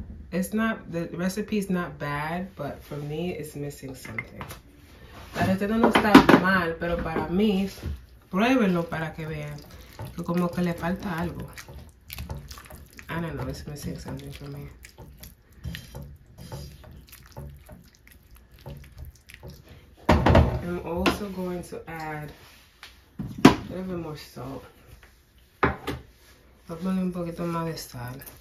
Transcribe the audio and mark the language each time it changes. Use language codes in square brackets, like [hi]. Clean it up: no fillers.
[en] It's not, the recipe is not bad, but for me, it's missing something. [es] La receta no está mal, pero para mí, pruébenlo para que vean que como que le falta algo. [en] I don't know, it's missing something for me. I'm also going to add a little bit more salt. [es] Voy a poner un poquito más de sal.